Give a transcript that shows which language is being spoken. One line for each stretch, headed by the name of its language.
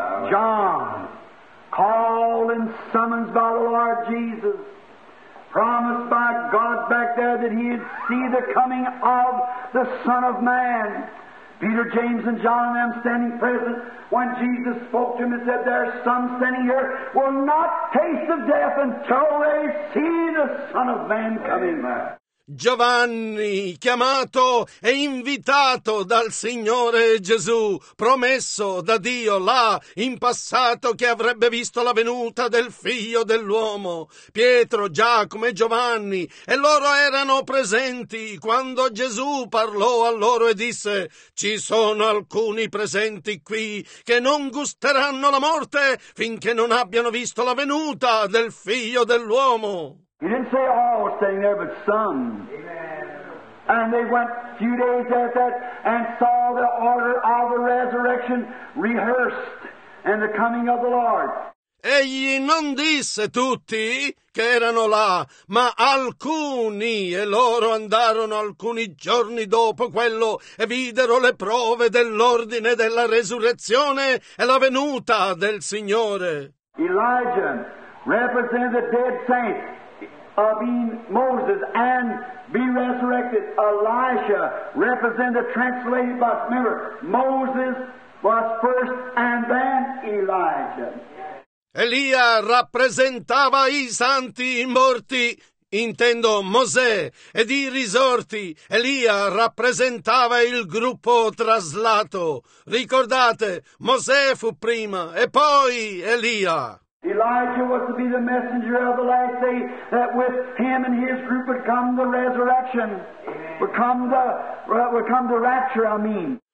English: John, called and summoned by the Lord Jesus, promised by God back there that he'd see the coming of the Son of Man. Peter, James, and John, and them standing present when Jesus spoke to him and said, "Their son standing here will not taste of death until they see the Son of Man coming."
Italian: Giovanni, chiamato e invitato dal Signore Gesù, promesso da Dio là in passato che avrebbe visto la venuta del Figlio dell'Uomo. Pietro, Giacomo e Giovanni, e loro erano presenti quando Gesù parlò a loro e disse: "Ci sono alcuni presenti qui che non gusteranno la morte finché non abbiano visto la venuta del Figlio dell'Uomo."
English: He didn't say all standing there, but some. Amen. And they went a few days after that and saw the order of the resurrection rehearsed and the coming of the Lord.
Italian: Egli non disse tutti che erano là, ma alcuni, e loro andarono alcuni giorni dopo quello e videro le prove dell'ordine della resurrezione e la venuta del Signore.
English: Elijah represented the dead saints. Moses and be resurrected. Elisha represented, translated by, remember, Moses was first and then Elijah.
Italian: Elia rappresentava i santi morti, intendo Mosè, ed i risorti. Elia rappresentava il gruppo traslato. Ricordate, Mosè fu prima e poi Elia.
English: Elijah was to be the messenger of the last day, that with him and his group would come the resurrection, would come the rapture, I mean.